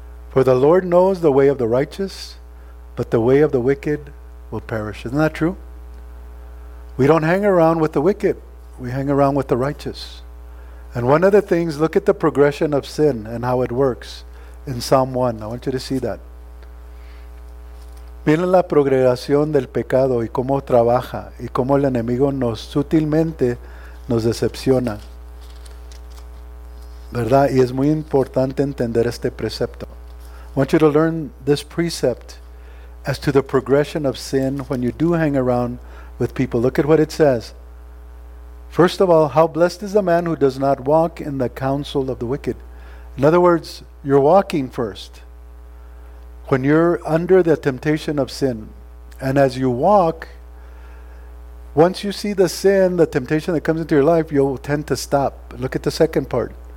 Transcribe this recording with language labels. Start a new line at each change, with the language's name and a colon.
English: For the Lord knows the way of the righteous, but the way of the wicked will perish. Isn't that true? We don't hang around with the wicked. We hang around with the righteous. And one of the things, look at the progression of sin and how it works in Psalm 1. I want you to see that.
Spanish: Miren la progresión del pecado y cómo trabaja y cómo el enemigo nos sutilmente nos decepciona. ¿Verdad? Y es muy importante entender este precepto.
English: I want you to learn this precept as to the progression of sin when you do hang around with people. Look at what it says. First of all, how blessed is the man who does not walk in the counsel of the wicked. In other words, you're walking first. When you're under the temptation of sin, and as you walk, once you see the sin, the temptation that comes into your life, you'll tend to stop. Look at the second part.